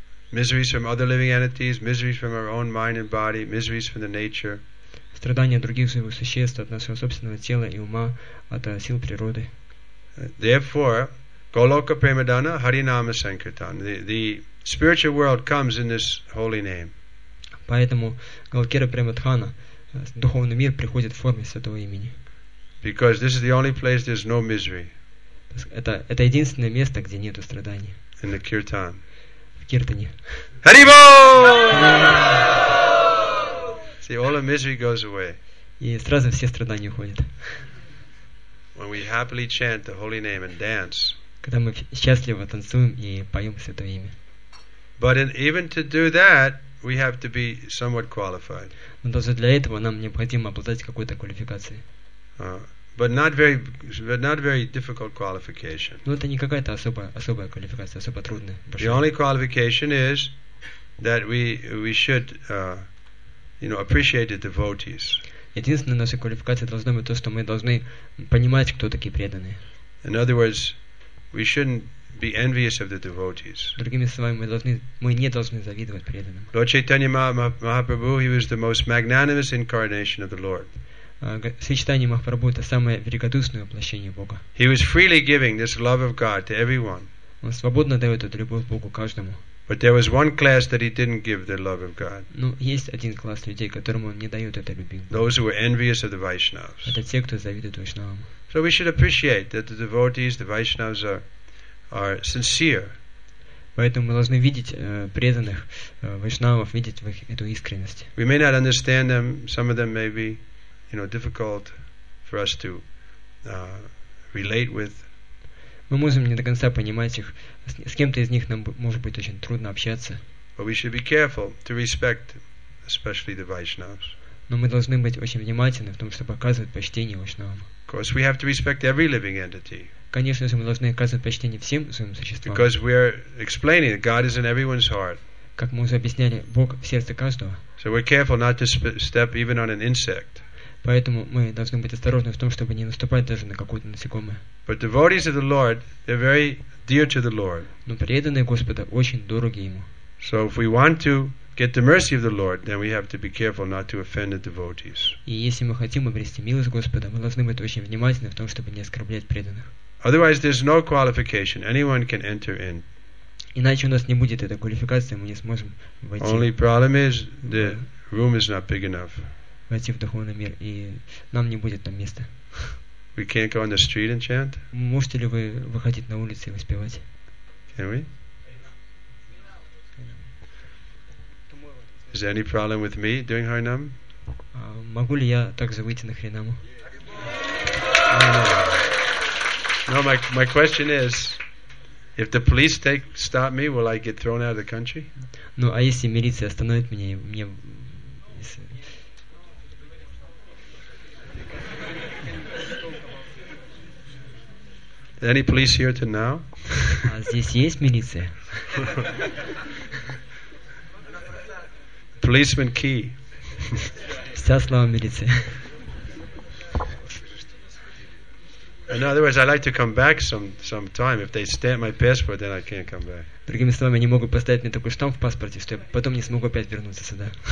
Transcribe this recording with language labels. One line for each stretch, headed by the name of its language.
English: Miseries from other living entities, miseries from our own mind and body, miseries from the nature.
Russian: Страдания других живых существ, от нашего собственного тела и ума, от сил природы.
English: Therefore, Goloka Premadana Harinama Sankirtan. The spiritual world comes in this holy name.
Russian: Поэтому Голокера Премадхана, духовный мир приходит в форме святого имени.
English: Because this is the only place there's no misery.
Russian: Это единственное место, где нету страданий.
English: In the Kirtan.
Russian: В Киртане.
English: Hari Bol! See, all the misery goes away.
Russian: И сразу все страдания уходят.
English: When we happily chant the holy name and dance.
Russian: Когда мы счастливо танцуем и поем святое имя.
English: But even to do that, we have to be somewhat qualified.
Russian: Но даже для этого нам необходимо обладать какой-то квалификацией.
English: But not very difficult qualification.
Russian: Но это не какая-то особая квалификация, особо трудная.
English: The only qualification is that we should appreciate the devotees.
Russian: Единственная наша квалификация должна быть то, что мы должны понимать, кто такие преданные.
English: In other words, we shouldn't be envious of the devotees.
Russian: Другими словами, мы не должны завидовать преданным.
English: Lord Chaitanya Mahaprabhu, he was the most magnanimous incarnation of the Lord.
Russian: Сочетание Махапрабху — это самое великодушное воплощение Бога.
English: He was freely giving this love of God to everyone.
Russian: Он свободно дает эту любовь Богу каждому.
English: But there was one class that he didn't give the love of God.
Russian: Ну, есть один класс людей, которому он не дает этой любви.
English: Those who were envious of the Vaishnavas.
Russian: Это те, кто завидует Вайшнавам.
English: So we should appreciate that the devotees, the Vaishnavas are sincere.
Russian: Поэтому мы должны видеть преданных Вайшнавов, видеть в их эту искренность.
English: We may not understand them. Some of them may be, difficult for us to relate with.
Russian: Мы можем не до конца понимать их. С кем-то из них нам может быть очень трудно общаться.
English: But we should be careful to respect, especially the Vaishnavas.
Russian: Но мы должны быть очень внимательны в том, чтобы оказывать почтение Вайшнавам.
English: Of course, we have to respect every living entity.
Russian: Конечно же, мы должны оказывать почтение всем своим существам.
English: Because we are explaining that God is in everyone's heart.
Russian: Как мы уже объясняли, Бог в сердце каждого.
English: So we're careful not to step even on an insect.
Russian: Поэтому мы должны быть осторожны в том, чтобы не наступать даже на какое-то насекомое.
English: But devotees of the Lord, they're very dear to the Lord.
Russian: Но преданные Господа очень дороги ему.
English: So if we want to get the mercy of the Lord, then we have to be careful not to offend the devotees.
Russian: И если мы хотим обрести милость Господа, мы должны быть очень внимательны в том, чтобы не оскорблять преданных.
English: Otherwise, there's no qualification. Anyone can enter in.
Russian: Иначе у нас не будет этой квалификации, мы не сможем войти.
English: Only problem is the room is not big enough.
Russian: Войти в духовный мир, и нам не будет там места.
English: We can't go on the street and chant?
Russian: Можете ли вы выходить на улицу и воспевать?
English: Can we? Is there any problem with me doing Harinam?
Russian: Могу ли я также выйти на Харинаму?
English: No, my question is, if the police stop me, will I get thrown out of the country?
Russian: Ну, а если милиция остановит меня, и мне...
English: Any police here till now?
Russian: Здесь есть милиция.
English: Policeman Key.
Russian: Вся слава милиции.
English: In other words, I'd like to come back some time. If they stamp my passport, then I can't come back.
Russian: Другими словами, они могут поставить мне такой штамп в паспорте, что я потом не смогу опять вернуться сюда.